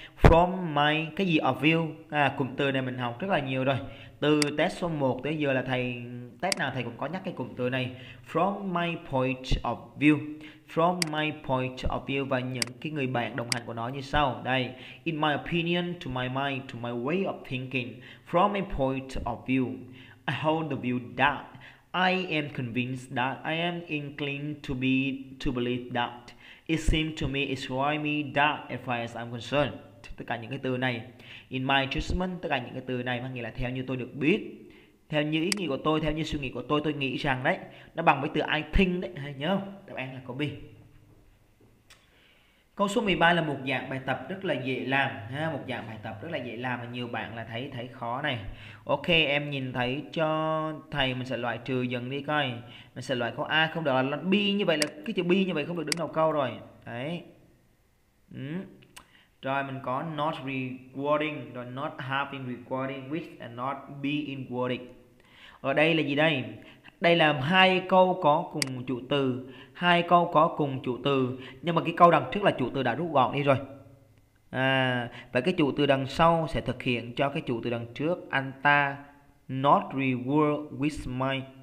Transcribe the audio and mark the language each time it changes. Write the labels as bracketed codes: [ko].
[vi] From my, cái gì of view? À, cụm từ này mình học rất là nhiều rồi. Từ test số 1 tới giờ là thầy test nào thầy cũng có nhắc cái cụm từ này. [en] From my point of view. [vi] From my point of view và những cái người bạn đồng hành của nó như sau. [en] Đây, in my opinion, to my mind, to my way of thinking. From my point of view, I hold the view that I am convinced that I am inclined to believe that it seems to me it's why me that as far as I'm concerned. [vi] Tất cả những cái từ này, [en] in my judgment, [vi] tất cả những cái từ này mang nghĩa là theo như tôi được biết, theo như ý nghĩ của tôi, theo như suy nghĩ của tôi nghĩ rằng đấy, nó bằng với từ I think đấy, hay nhớ không? Đáp án là câu B. Câu số 13 là một dạng bài tập rất là dễ làm ha, một dạng bài tập rất là dễ làm mà nhiều bạn là thấy khó này. Ok, em nhìn thấy cho thầy mình sẽ loại trừ dần đi coi. Mình sẽ loại câu A không được, là B như vậy, là cái chữ B như vậy không được đứng đầu câu rồi. Đấy. [en] Rồi mình có not rewarding, rồi not having rewarding with and not being rewarded. [vi] Ở đây là gì đây? Đây là hai câu có cùng chủ từ, hai câu có cùng chủ từ, nhưng mà cái câu đằng trước là chủ từ đã rút gọn đi rồi. Và cái chủ từ đằng sau sẽ thực hiện cho cái chủ từ đằng trước, anh ta [en] not reward with my